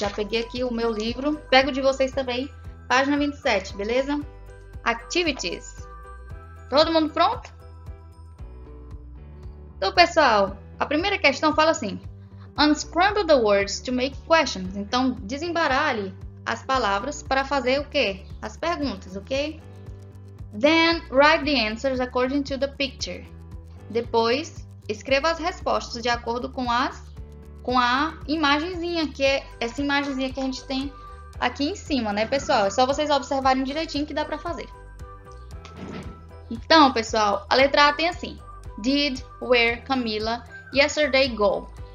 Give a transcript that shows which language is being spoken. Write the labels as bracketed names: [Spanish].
[Portuguese] Já peguei aqui o meu livro. Pego de vocês também, página 27, beleza? Activities. Todo mundo pronto? Então, pessoal, a primeira questão fala assim: [English] Unscramble the words to make questions. [Portuguese] Então, desembaralhe as palavras para fazer o quê? As perguntas, ok? [English] Then, write the answers according to the picture. [Portuguese] Depois, escreva as respostas de acordo com a imagenzinha, que é essa imagenzinha que a gente tem aqui em cima, né, pessoal? É só vocês observarem direitinho que dá para fazer. Então, pessoal, a letra A tem assim: [English] Did, where, Camila, yesterday, go.